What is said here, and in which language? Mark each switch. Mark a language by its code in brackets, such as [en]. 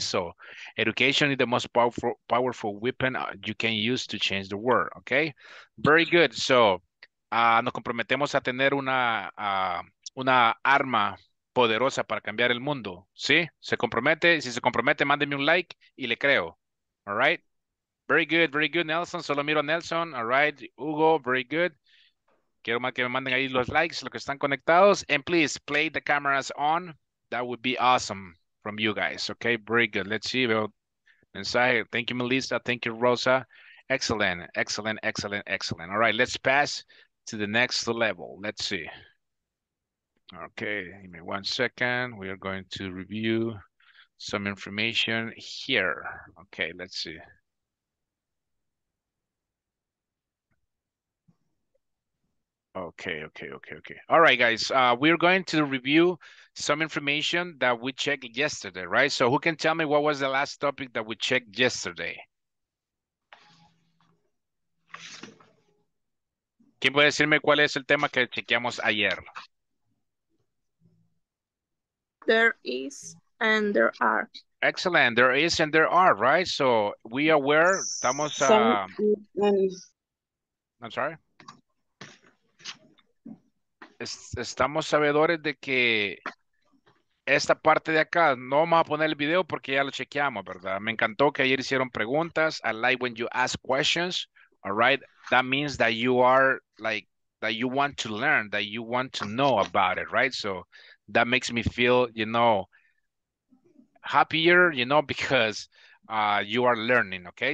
[en] So education is the most powerful weapon you can use to change the world, okay? Very good. [es] So nos comprometemos a tener una arma poderosa para cambiar el mundo, ¿sí? Se compromete, si se compromete mándeme un like y le creo, [en] all right? Very good, Nelson. [es] Solo miro a Nelson. [en] All right, Hugo, very good. [es] Quiero más que me manden ahí los likes, los que están conectados. [en] And please, play the cameras on. That would be awesome from you guys. Okay, very good. Let's see. Mensaje. Thank you, Melissa. Thank you, Rosa. Excellent, excellent, excellent, excellent. All right, let's pass to the next level. Let's see. Okay, give me 1 second. We are going to review some information here. Okay, let's see. Okay. All right, guys, we're going to review some information that we checked yesterday, right? So who can tell me what was the last topic that we checked yesterday? [es] ¿Quién puede decirme cuál es el tema que chequeamos ayer? [en] There is and there are. Excellent, there is and there are, right? So we are where? [es] Estamos a... [en] I'm sorry? [es] Estamos sabedores de que esta parte de acá, no vamos a poner el video porque ya lo chequeamos, ¿verdad? Me encantó que ayer hicieron preguntas. [en] I like when you ask questions, all right? That means that you are like, that you want to learn, that you want to know about it, right? So that makes me feel, you know, happier, you know, because you are learning, okay?